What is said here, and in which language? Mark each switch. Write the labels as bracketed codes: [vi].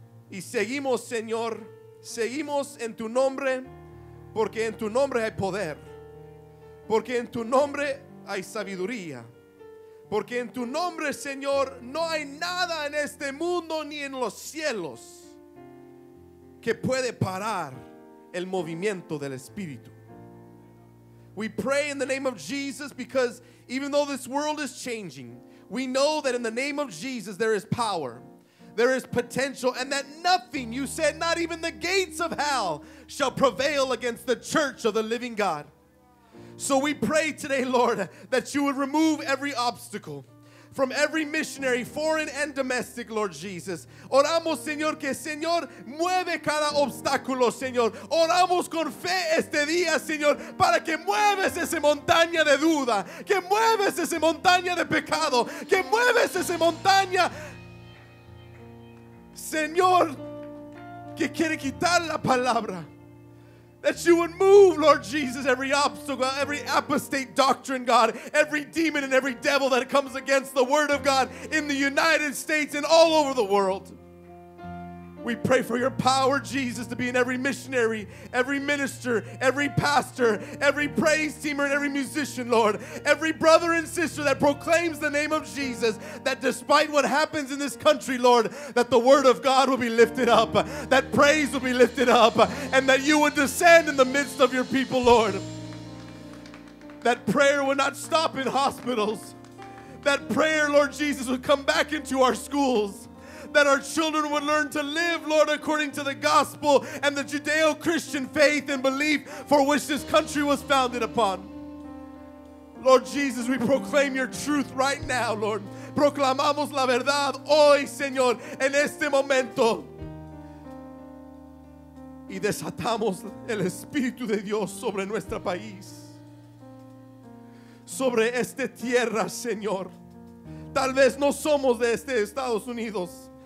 [es] Y seguimos, Señor, seguimos en tu nombre, porque en tu nombre hay poder, porque en tu nombre hay sabiduría, porque en tu nombre, Señor, no hay nada en este mundo ni en los cielos que puede parar el movimiento del Espíritu. [en] We pray in the name of Jesus, because even though this world is changing, we know that in the name of Jesus there is power. There is potential, and that nothing, you said, not even the gates of hell shall prevail against the church of the living God. So we pray today, Lord, that you would remove every obstacle from every missionary, foreign and domestic, Lord Jesus. [es] Oramos, Señor, que Señor mueve cada obstáculo, Señor. Oramos con fe este día, Señor, para que mueves esa montaña de duda, que mueves esa montaña de pecado, que mueves esa montaña, Señor, que quiere quitar la palabra. [en] That you would move, Lord Jesus, every obstacle, every apostate doctrine, God, every demon and every devil that comes against the word of God in the United States and all over the world. We pray for your power, Jesus, to be in every missionary, every minister, every pastor, every praise teamer, and every musician, Lord. Every brother and sister that proclaims the name of Jesus, that despite what happens in this country, Lord, that the word of God will be lifted up, that praise will be lifted up, and that you would descend in the midst of your people, Lord. that prayer would not stop in hospitals. That prayer, Lord Jesus, would come back into our schools. That our children would learn to live, Lord, according to the gospel and the Judeo-Christian faith and belief for which this country was founded upon. Lord Jesus, we proclaim your truth right now, Lord. [es] Proclamamos la verdad hoy, Señor, en este momento. Y desatamos el Espíritu de Dios sobre nuestro país. Sobre esta tierra, Señor. Tal vez no somos de este Estados Unidos.